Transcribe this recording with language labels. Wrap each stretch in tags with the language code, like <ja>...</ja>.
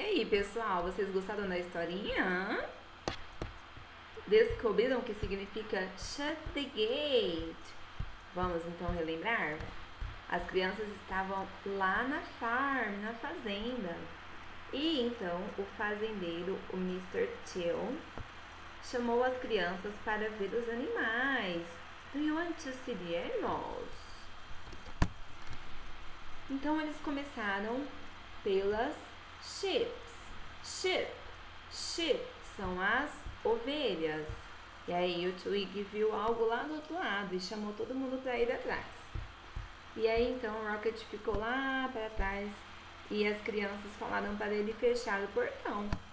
<pt>Pessoal, vocês gostaram da historinha? Descobriram o que significa</pt> <en>shut the gate?</en> <pt>Vamos então relembrar? As crianças estavam lá na farm, na fazenda. E então o fazendeiro, o Mr. Till, chamou as crianças para ver os animais.</pt> <en>Do you want to see the animals?</en> <pt>Então eles começaram pelas sheep. Sheep, sheep, são as ovelhas. E aí o Twig viu algo lá do outro lado e chamou todo mundo para ir atrás. E aí então o Rocket ficou lá para trás e as crianças falaram para ele fechar o portão.</pt>